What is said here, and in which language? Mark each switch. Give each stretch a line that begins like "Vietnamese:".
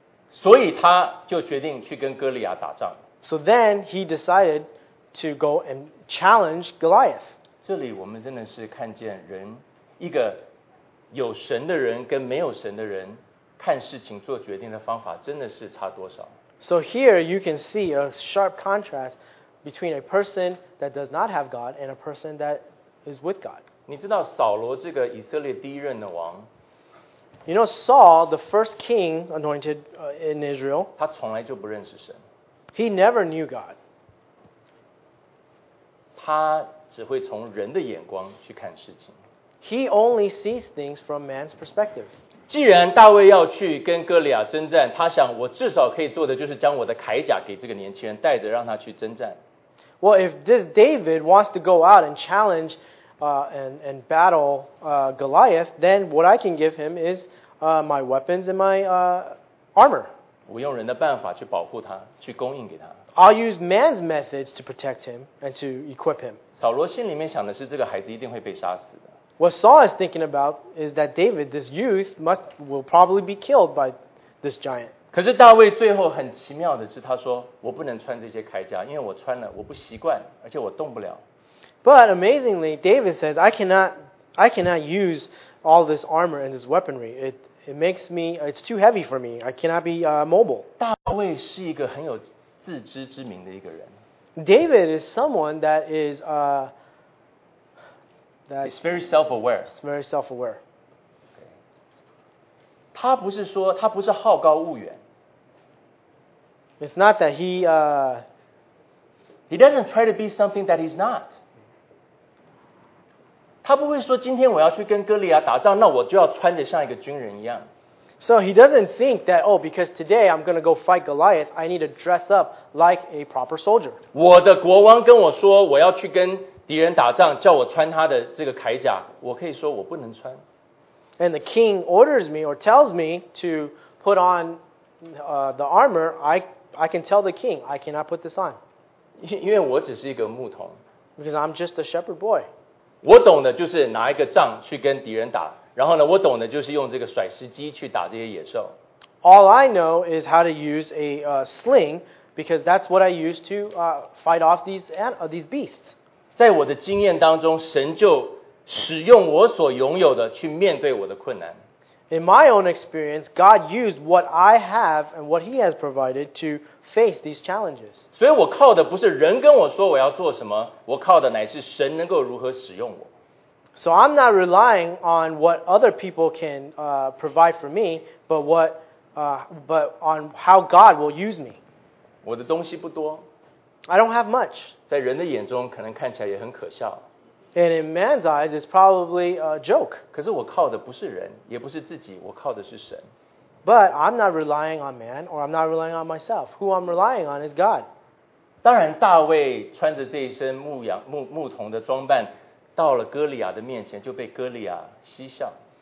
Chinese: 所以他就决定去跟哥利亚打仗。
English: So then he decided to go and challenge Goliath.
Chinese: 这里我们真的是看见人，一个有神的人跟没有神的人看事情做决定的方法真的是差多少。
English: So here you can see a sharp contrast between a person that does not have God and a person that is with God.
Chinese: 你知道扫罗这个以色列第一任的王？
English: You know Saul, the first king anointed in Israel.
Chinese: 他从来就不认识神。
English: He never knew God.
Chinese: 他只会从人的眼光去看事情。
English: He only sees things from man's perspective.
Chinese: 既然大卫要去跟哥利亚征战，他想我至少可以做的就是将我的铠甲给这个年轻人带着，让他去征战。
English: Well, if this David wants to go out and challenge and battle Goliath, then what I can give him is my weapons and my armor.
Chinese: 我用人的办法去保护他，去供应给他。
English: I'll use man's methods to protect him and to equip him.
Chinese: 扫罗心里面想的是这个孩子一定会被杀死的。
English: What Saul is thinking about is that David, this youth, will probably be killed by this giant.
Chinese: 可是大卫最后很奇妙的是他说我不能穿这些铠甲，因为我穿了我不习惯，而且我动不了。
English: But amazingly, David says, I cannot use all this armor and this weaponry. It's too heavy for me. I cannot be mobile.
Chinese: 大卫是一个很有自知之明的一个人。
English: David is someone that is... He's very self-aware. He's very self-aware.
Chinese: 他不是说他不是好高骛远。
English: It's not that he doesn't try to be something that he's not.
Chinese: 他不会说今天我要去跟哥利亚打仗，那我就要穿着像一个军人一样。
English: So he doesn't think that, oh, because today I'm going to go fight Goliath, I need to dress up like a proper soldier.
Chinese: 我的国王跟我说我要去跟敌人打仗，叫我穿他的这个铠甲，我可以说我不能穿。
English: And the king orders me or tells me to put on the armor, I can tell the king, I cannot put this on.
Chinese: 因为我只是一个牧童。
English: Because I'm just a shepherd boy.
Chinese: 我懂的就是拿一个杖去跟敌人打，然后呢，我懂的就是用这个甩石机去打这些野兽。
English: All I know is how to use a sling, because that's what I use to fight off these beasts.
Chinese: 在我的经验当中，神就使用我所拥有的去面对我的困难。
English: In my own experience, God used what I have and what He has provided to face these challenges.
Chinese: 所以我靠的不是人跟我说我要做什么，我靠的乃是神能够如何使用我。
English: So I'm not relying on what other people can provide for me, but on how God will use me.
Chinese: 我的东西不多。
English: I don't have much.
Chinese: 在人的眼中可能看起来也很可笑。
English: And in man's eyes, it's probably a joke.
Chinese: 可是我靠的不是人，也不是自己，我靠的是神。
English: But I'm not relying on man, or I'm not relying on myself. Who I'm relying on is God.
Chinese: 当然，大卫穿着这一身牧童的装扮，到了哥利亚的面前，就被哥利亚嬉笑。